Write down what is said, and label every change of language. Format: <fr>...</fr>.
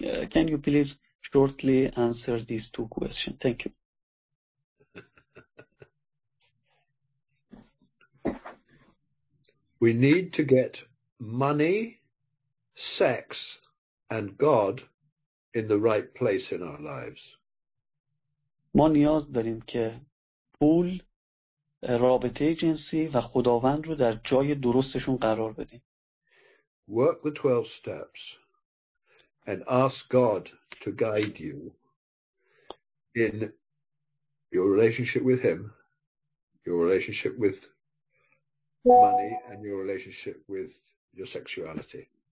<en>Can you please shortly answer these 2 questions? Thank you. We need to get money, sex, and God in the right place in our lives.</en> <fa>ما نیاز داریم که پول، رابطه جنسی و خداوند رو در جای درستشون قرار بدیم.</fa> <en>Work the 12 steps and ask God to guide you in your relationship with him, your relationship with money, and your relationship with your sexuality.</en>